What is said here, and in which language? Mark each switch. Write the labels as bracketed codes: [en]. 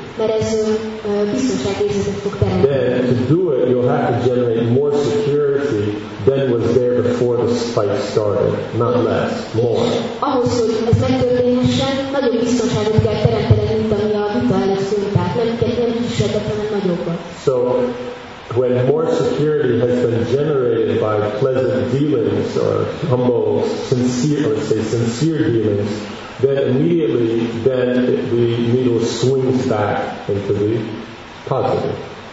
[hu] Mert ez biztonságérzetet fog teremteni. [en] Then, to do it, you'll have to generate more security than was there before the fight started. Not less, more. [hu] Ahhoz, hogy ez megtörténhessen, nagyobb biztonságot kell teremteni, mint ami a vita lesz. [en] So, when more security has been generated by pleasant dealings or humble, sincere, let's say sincere dealings, then immediately then the needle swings back into the positive.